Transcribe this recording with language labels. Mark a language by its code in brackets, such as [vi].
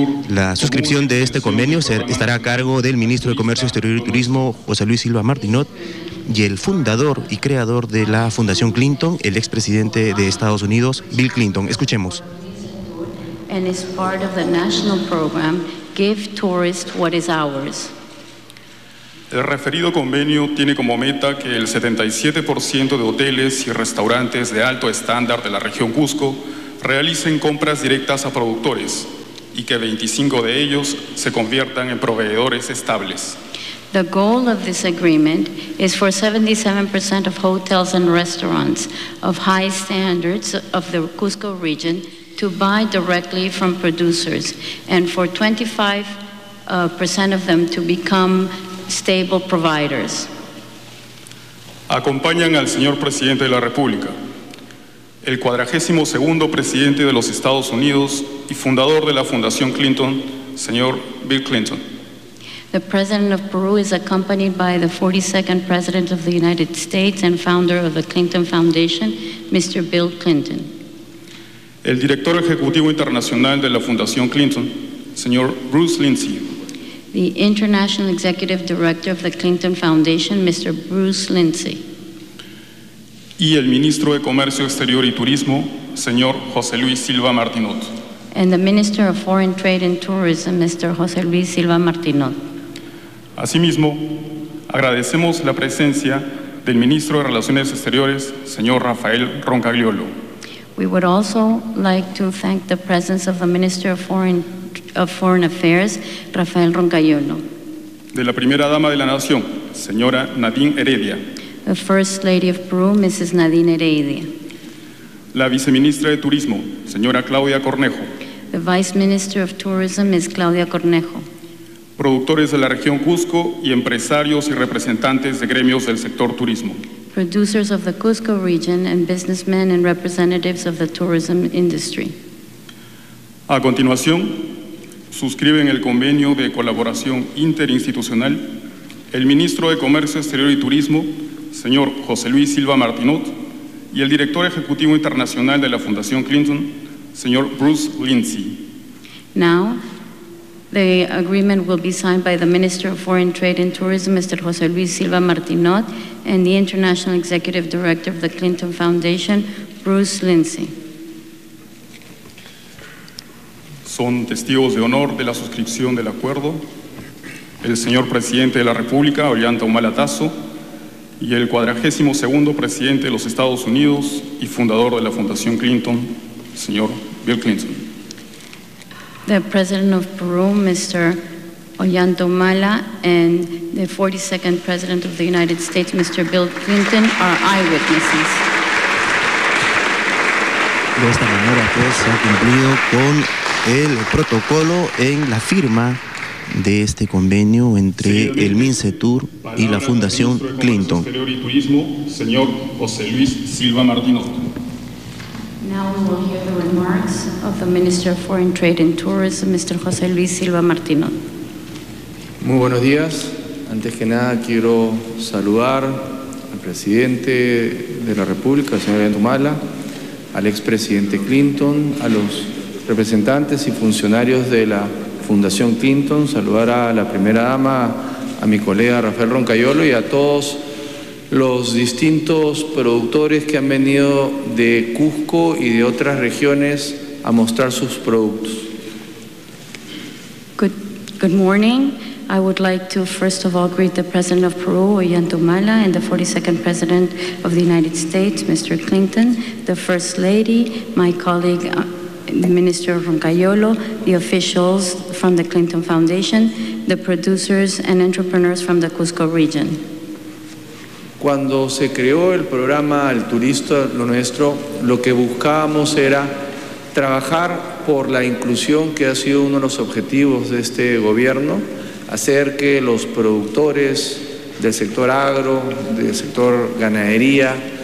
[es] La suscripción de este convenio estará a cargo del ministro de Comercio Exterior y Turismo, José Luis Silva Martinot, y el fundador y creador de la Fundación Clinton, el expresidente de Estados Unidos, Bill Clinton. Escuchemos. [en] And is part of the national program, Give Tourists What Is Ours. [es] El referido convenio tiene como meta que el 77% de hoteles y restaurantes de alto estándar de la región Cusco realicen compras directas a productores y que 25 de ellos se conviertan en proveedores estables. [en] The goal of this agreement is for 77% of hotels and restaurants of high standards of the Cusco region to buy directly from producers and for 25% of them to become stable providers. [es] Acompañan al señor presidente de la República, el 42º presidente de los Estados Unidos y fundador de la Fundación Clinton, señor Bill Clinton. [en] The president of Peru is accompanied by the 42nd president of the United States and founder of the Clinton Foundation, Mr. Bill Clinton. [es] El director ejecutivo internacional de la Fundación Clinton, señor Bruce Lindsay. [en] The International Executive Director of the Clinton Foundation, Mr. Bruce Lindsay. [es] Y el Ministro de Comercio Exterior y Turismo, señor José Luis Silva Martinot. [en] And the Minister of Foreign Trade and Tourism, Mr. José Luis Silva Martinot. [es] Asimismo, agradecemos la presencia del Ministro de Relaciones Exteriores, señor Rafael Roncagliolo. [en] We would also like to thank the presence of the Minister of Foreign Affairs, Rafael Roncagliolo. [es] De la Primera Dama de la Nación, señora Nadine Heredia. [en] The First Lady of Peru, Mrs. Nadine Heredia. [es] La Viceministra de Turismo, señora Claudia Cornejo. [en] The Vice Minister of Tourism, Ms. Claudia Cornejo. [es] Productores de la región Cusco y empresarios y representantes de gremios del sector turismo. [en] Producers of the Cusco region and businessmen and representatives of the tourism industry. [es] A continuación, suscriben el convenio de colaboración interinstitucional el ministro de Comercio Exterior y Turismo, señor José Luis Silva Martinot, y el director ejecutivo internacional de la Fundación Clinton, señor Bruce Lindsay. [en] Now, the agreement will be signed by the Minister of Foreign Trade and Tourism, Mr. José Luis Silva Martinot, and the International Executive Director of the Clinton Foundation, Bruce Lindsay. [es] Son testigos de honor de la suscripción del acuerdo el señor presidente de la República, Ollanta Humala Tasso, y el 42º presidente de los Estados Unidos y fundador de la Fundación Clinton, señor Bill Clinton. [en] The president of Peru, Mr. Ollanta Humala, and the 42nd president of the United States, Mr. Bill Clinton, are eyewitnesses. [es] De esta manera, pues, se ha cumplido con el protocolo en la firma de este convenio entre el MINCETUR y la Fundación Clinton. Exterior y Turismo, señor José Luis Silva Martinot. [en] Now we will hear the remarks of the Minister of Foreign Trade and Tourism, Mr. José Luis Silva Martinot. [es] Muy buenos días. Antes que nada, quiero saludar al presidente de la República, el señor Ollanta Humala, al expresidente Clinton, a los representantes y funcionarios de la Fundación Clinton, saludar a la Primera Dama, a mi colega Rafael Roncagliolo y a todos los distintos productores que han venido de Cusco y de otras regiones a mostrar sus productos. [en] Good morning. I would like to first of all greet the President of Peru, Ollanta Humala, and the 42nd President of the United States, Mr. Clinton, the First Lady, my colleague the Minister Roncagliolo, the officials from the Clinton Foundation, the producers and entrepreneurs from the Cusco region. [es] Cuando se creó el programa El Turista Lo Nuestro, lo que buscábamos era trabajar por la inclusión que ha sido uno de los objetivos de este gobierno, hacer que los productores del sector agro, del sector ganadería,